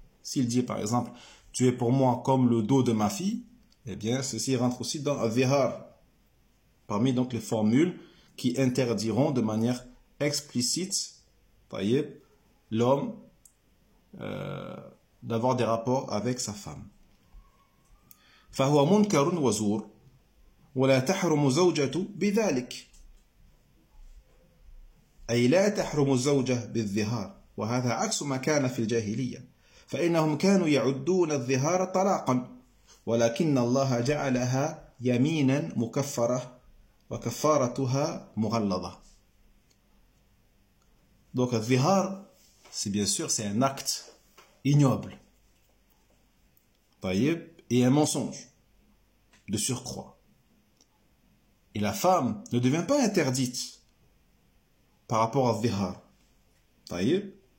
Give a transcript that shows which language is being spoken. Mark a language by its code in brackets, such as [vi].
[fr] S'il dit, par exemple, « Tu es pour moi comme le dos de ma fille », eh bien, ceci rentre aussi dans « Avihar », parmi donc les formules qui interdiront de manière explicite, voyez, l'homme d'avoir des rapports avec sa femme. [ar] « Fahuwa munkarun wazur » ولا تحرم زوجة بذلك أي لا تحرم الزوجة بالظهار وهذا عكس ما كان في الجاهلية فإنهم كانوا يعدون الظهار طلاقا ولكن الله جعلها يمينا مكفرة وكفارتها مغلظة. [fr] Donc الظهار c'est bien sûr c'est un acte ignoble. طيب et un mensonge de surcroît. Et la femme ne devient pas interdite par rapport à Zihar. Taïb.